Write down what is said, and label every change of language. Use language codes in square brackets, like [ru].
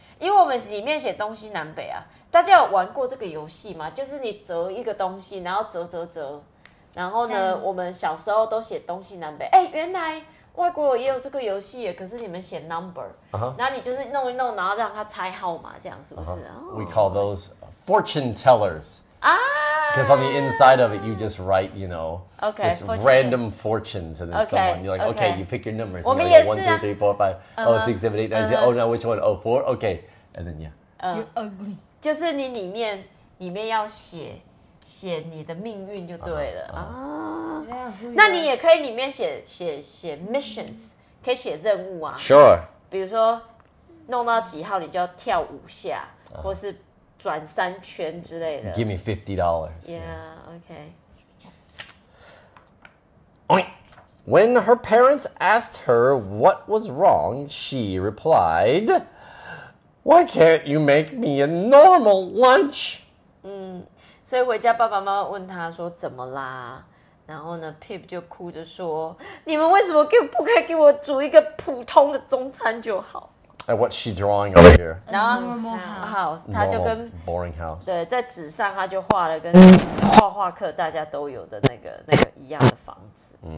[zh] 因为我们里面写东西南北啊。大家有玩过这个游戏吗？就是你折一个东西，然后折折折，然后呢，我们小时候都写东西南北。哎，原来外国也有这个游戏耶，可是你们写 number，、然后你就是弄一弄，然后让他猜号码，这样是不是、 [en] We call those fortune tellers. Ah, because on the inside of it, you just write, you know, okay, just fortune random fortunes, and then okay, someone you're like, okay, okay, you pick your numbers. We also one, two, three, four, five, oh, six, seven, eight, nine. Oh, now which one? Oh, four. Okay, and then yeah. You're ugly. [zh] 就是你里面要写你的命运就对了、那你也可以里面写 missions， 可以写任务啊。 [en] Sure。 [zh] 比如说，弄到几号你就要跳五下， 或是转三圈之类的。 [en] Give me $50. Yeah. Okay. When her parents asked her what was wrong, she replied, "Why can't you make me a normal lunch?" [zh] 所以回家爸爸妈妈问他说怎么啦？然后呢 ，Pip 就哭着说：“你们为什么不可以给我煮一个普通的中餐就好？” [en] And what's she drawing over here? A normal house. [zh] Normal, 他就跟 [en] boring house. [zh] 对，在纸上他就画了跟画画课大家都有的那个一样的房子。